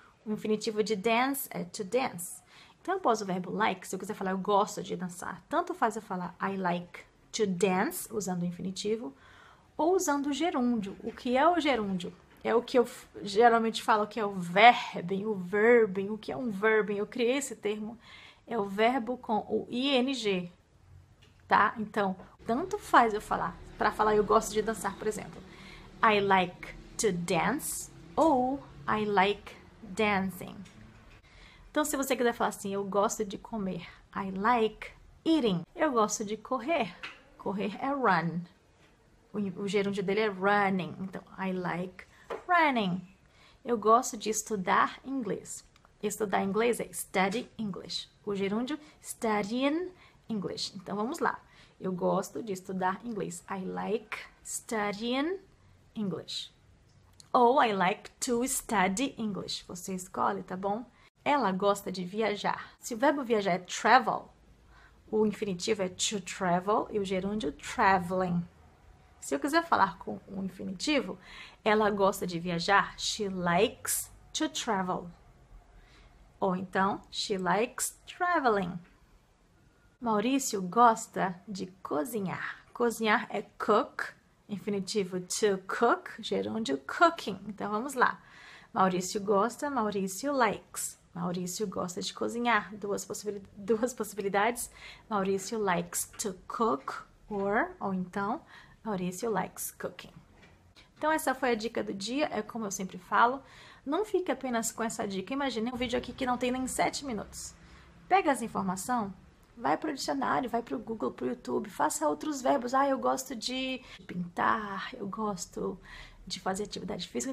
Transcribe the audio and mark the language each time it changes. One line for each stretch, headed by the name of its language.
Portuguese: O infinitivo de dance é to dance. Então, após o verbo like, se eu quiser falar eu gosto de dançar, tanto faz eu falar
English: I like to dance,
Portuguese: usando o infinitivo, ou usando o gerúndio. O que é o gerúndio? É o que eu geralmente falo que é o verbem, o verbem. O que é um verbem? Eu criei esse termo. É o verbo com o ing, tá? Então, tanto faz eu falar, para falar eu gosto de dançar, por exemplo.
English: I like to dance,
Portuguese: ou
English: I like dancing.
Portuguese: Então, se você quiser falar assim, eu gosto de comer.
English: I like eating.
Portuguese: Eu gosto de correr. Correr é run. O gerúndio dele é running. Então,
English: I like running.
Portuguese: Eu gosto de estudar inglês. Estudar inglês é
English: study English.
Portuguese: O gerúndio,
English: studying English.
Portuguese: Então, vamos lá. Eu gosto de estudar inglês.
English: I like studying English.
Portuguese: Ou
English: I like to study English.
Portuguese: Você escolhe, tá bom? Ela gosta de viajar. Se o verbo viajar é travel, o infinitivo é to travel e o gerúndio traveling. Se eu quiser falar com o infinitivo, ela gosta de viajar.
English: She likes to travel.
Portuguese: Ou então,
English: she likes traveling.
Portuguese: Maurício gosta de cozinhar. Cozinhar é cook. Infinitivo to cook, gerúndio cooking. Então vamos lá. Maurício gosta, Maurício
English: likes.
Portuguese: Maurício gosta de cozinhar. Duas possibilidades.
English: Maurício likes to cook,
Portuguese: ou então
English: Maurício likes cooking.
Portuguese: Então essa foi a dica do dia. É como eu sempre falo. Não fique apenas com essa dica. Imagine um vídeo aqui que não tem nem 7 minutos. Pega essa informação. Vai para o dicionário, vai para o Google, para o YouTube, faça outros verbos. Ah, eu gosto de pintar, eu gosto de fazer atividade física.